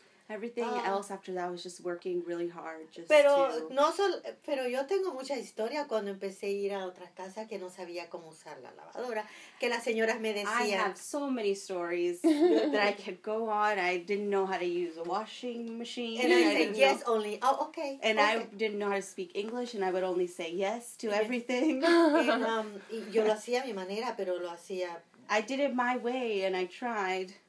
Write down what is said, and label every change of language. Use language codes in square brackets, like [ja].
[en] Everything else after that was just working really hard. Just [es] pero [en] to... [es] no solo, pero yo tengo mucha historia cuando empecé a ir a otras casas que no sabía cómo usar la lavadora, que las señoras me decían. [en] I have so many stories that I could go on. I didn't know how to use a washing machine. And I said yes only. Oh, okay. And okay. I didn't know how to speak English, and I would only say yes to everything. [es] y yo lo hacía a mi manera, pero lo hacía. [en] I did it my way, and I tried.